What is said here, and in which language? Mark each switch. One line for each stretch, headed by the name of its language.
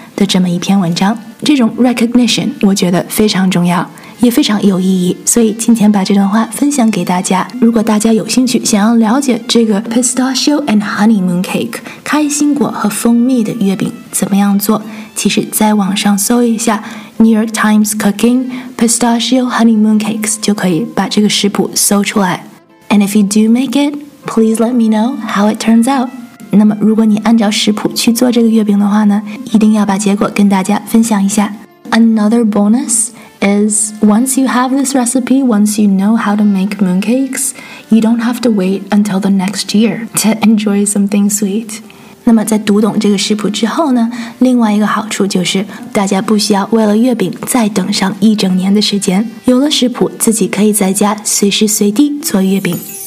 Chinese: 的这么一篇文章这种 recognition 我觉得非常重要也非常有意义所以今天把这段话分享给大家如果大家有兴趣想要了解这个
English: pistachio and honey mooncake
Chinese: 开心果和蜂蜜的月饼怎么样做其实在网上搜一下 New York Times Cooking Pistachio Honey Mooncakes 就可以把这个食谱搜出来
English: And if you do make it please let me know how it turns out.
Chinese: 那么如果你按照食谱去做这个月饼的话呢，一定要把结果跟大家分享一下。
English: Another bonus is once you have this recipe, once you know how to make mooncakes, you don't have to wait until the next year to enjoy something sweet.
Chinese: 那么在读懂这个食谱之后呢，另外一个好处就是大家不需要为了月饼再等上一整年的时间，有了食谱自己可以在家随时随地做月饼。